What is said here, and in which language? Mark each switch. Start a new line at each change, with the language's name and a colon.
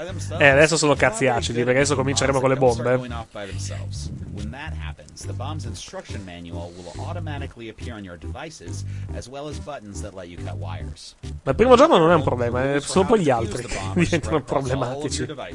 Italian: Adesso sono cazzi acidi, perché adesso cominceremo con le bombe.
English: When that happens, the bomb's instruction manual will automatically appear on your devices, as well as buttons that let you cut wires.
Italian: Ma il primo giorno non è un problema, sono poi gli altri che diventano problematici.